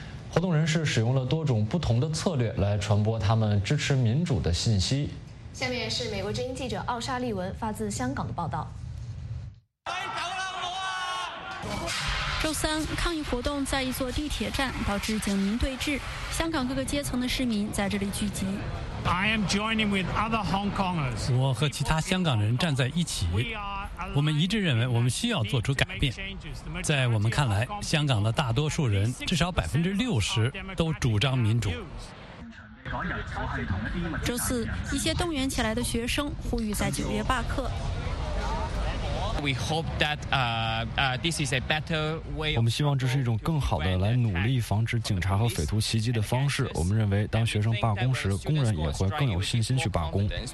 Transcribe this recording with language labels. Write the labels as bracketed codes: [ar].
[zh] 活动人士使用了多种不同的策略来传播他们支持民主的信息。下面是美国之音记者奥沙利文发自香港的报道。周三，抗议活动在一座地铁站导致警民对峙，香港各个阶层的市民在这里聚集。 [en] I am joining with other Hong Kongers. [zh] 我和其他香港人站在一起，我们一致认为我们需要做出改变。在我们看来，香港的大多数人，至少60%都主张民主。周四，一些动员起来的学生呼吁在9月罢课。 [en] We hope that this is a better way. [zh] 我们希望这是一种更好的来努力防止警察和匪徒袭击的方式。我们认为，当学生罢工时，工人也会更有信心去罢工。